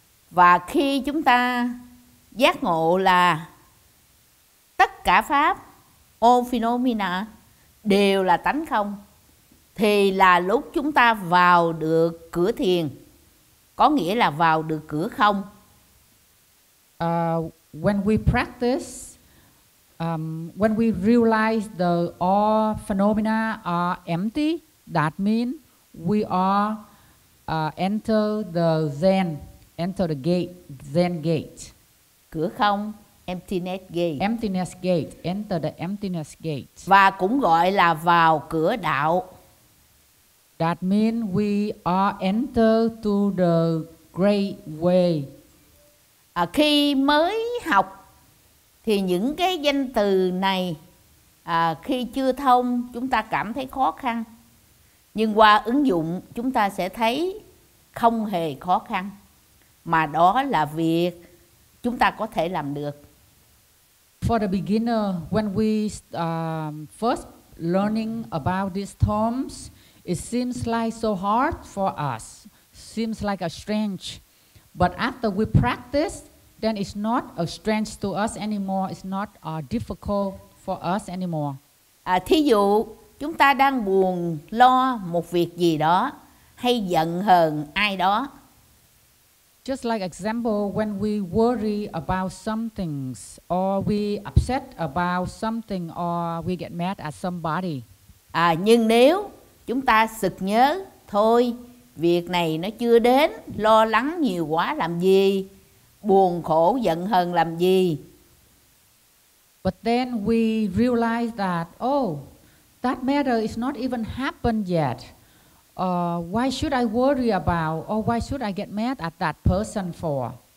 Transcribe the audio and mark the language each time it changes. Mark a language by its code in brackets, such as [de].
[vi] Và khi chúng ta giác ngộ là tất cả pháp, [en] all phenomena, [vi] đều là tánh không, thì là lúc chúng ta vào được cửa thiền, có nghĩa là vào được cửa không. [en] When we practice, when we realize the all phenomena are empty, that means we are enter the Zen, enter the gate, Zen gate. [vi] Cửa không, [en] emptiness gate. Emptiness gate, enter the emptiness gate. [vi] Và cũng gọi là vào cửa đạo. [en] That means we are enter to the great way. [vi] Khi mới học thì những cái danh từ này khi chưa thông chúng ta cảm thấy khó khăn. Nhưng qua ứng dụng chúng ta sẽ thấy không hề khó khăn. Mà đó là việc chúng ta có thể làm được. [en] For the beginner, when we first learning about these terms, it seems like so hard for us, seems like a strange. But after we practice, then it's not a strange to us anymore, it's not difficult for us anymore. [vi] Thí dụ, chúng ta đang buồn, lo một việc gì đó, hay giận hờn ai đó. [en] Just like example, when we worry about some things, or we upset about something, or we get mad at somebody. [vi] Nhưng nếu chúng ta sực nhớ, thôi, việc này nó chưa đến, lo lắng nhiều quá làm gì, buồn khổ, giận hờn làm gì. [en] But then we realize that, that matter is not even happened yet. Why should I worry about, or why should I get mad at that person for?